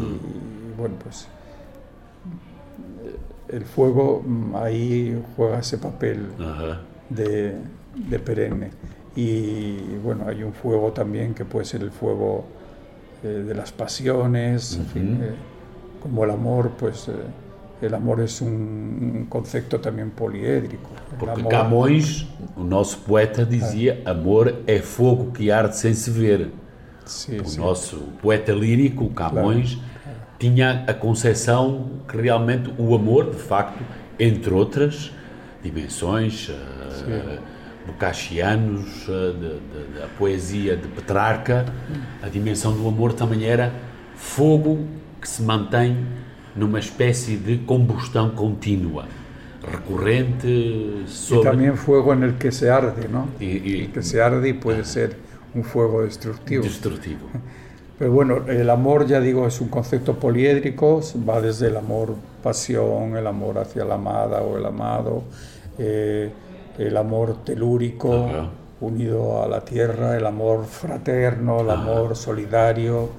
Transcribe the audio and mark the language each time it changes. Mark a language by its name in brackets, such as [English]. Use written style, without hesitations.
[Spanish] Y bueno, pues el fuego ahí juega ese papel. Uh-huh. de perenne. Y bueno, hay un fuego también que puede ser el fuego de las pasiones. Uh-huh. En fin, como el amor, pues el amor es un concepto también poliédrico. Porque amor, [Portuguese] Camões, o nosso poeta, dizia: amor é fogo que arde sem se ver. Sim, o sim. Nosso poeta lírico, Camões, claro. Tinha a concepção que realmente o amor, de facto, entre outras dimensões, bocaxianos, da poesia de Petrarca, a dimensão do amor também era fogo que se mantém numa espécie de combustão contínua, recorrente sobre... E também fogo em que se arde, não? E que se arde e pode ser [Spanish] un fuego destructivo. Destructivo. Pero bueno, el amor, ya digo, es un concepto poliédrico, va desde el amor pasión, el amor hacia la amada o el amado, el amor telúrico, ajá, unido a la tierra, el amor fraterno, el amor solidario.